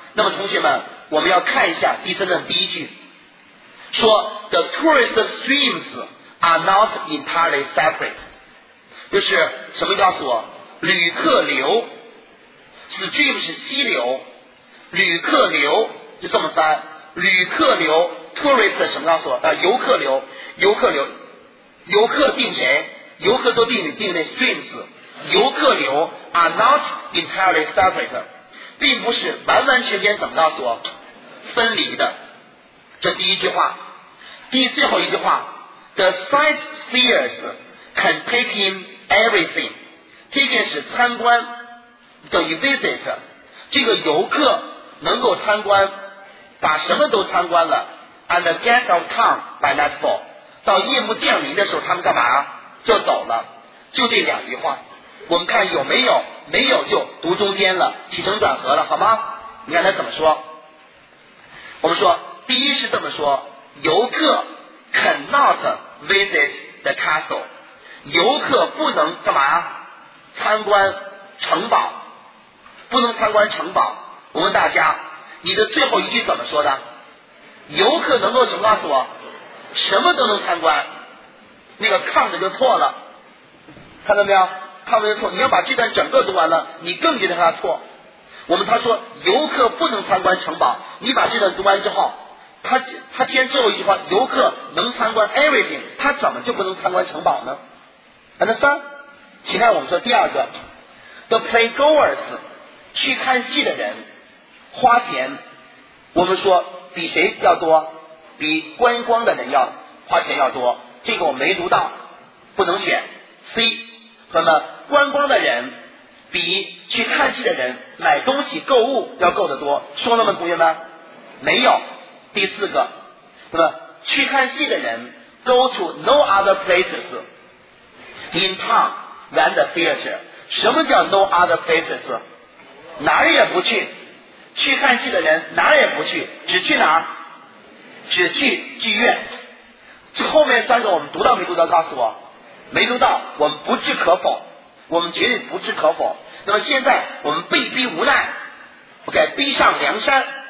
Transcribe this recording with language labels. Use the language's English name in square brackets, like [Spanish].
[Chinese] 那么同学们，我们要看一下第三段第一句，说 [English] The tourist streamsare not entirely separate， [Chinese] 就是什么？告诉我，旅客流 stream 是溪流，旅客流就这么翻，旅客流 tourist 什么？告诉我游客流，游客流，游客定谁？游客做定语，定那 streams， 游客流 [English] are not entirely separate， [Chinese] 并不是完完全全怎么？告诉我分离的。这第一句话。 [English] 第最后一句话，The sightseers can take in everything. Take in [Chinese] 是参观，等于 visit。这个游客能够参观，把什么都参观了。 [English] And the guests of town by nightfall， [Chinese] 到夜幕降临的时候，他们干嘛？就走了。就这两句话，我们看有没有？没有就读中间了，起承转合了，好吗？你看他怎么说？我们说，第一是这么说，游客。 [English] Cannot visit the castle， [Chinese] 游客不能干嘛？参观城堡，不能参观城堡。我问大家，你的最后一句怎么说的？游客能够什么？告诉我，什么都能参观。那个看着就错了，看到没有？看着就错。你要把这段整个读完了，你更觉得他错。我们他说游客不能参观城堡，你把这段读完之后，他既然最后一句话游客能参观 everything， 他怎么就不能参观城堡呢？还能翻。请看我们说第二个， [English] The playgoers [Chinese] 去看戏的人花钱，我们说比谁要多？比观光的人要花钱要多。这个我没读到，不能选 C。那么观光的人比去看戏的人买东西购物要够得多，说了吗同学们？没有。第四个，那么去看戏的人 [English] go to no other places in town than the theater。 [Chinese] 什么叫 [English] no other places？ [Chinese] 哪儿也不去。去看戏的人哪儿也不去，只去哪儿？只去剧院。这后面三个我们读到没读到？告诉我，没读到。我们不置可否，我们绝对不置可否。那么现在我们被逼无奈，不该逼上梁山。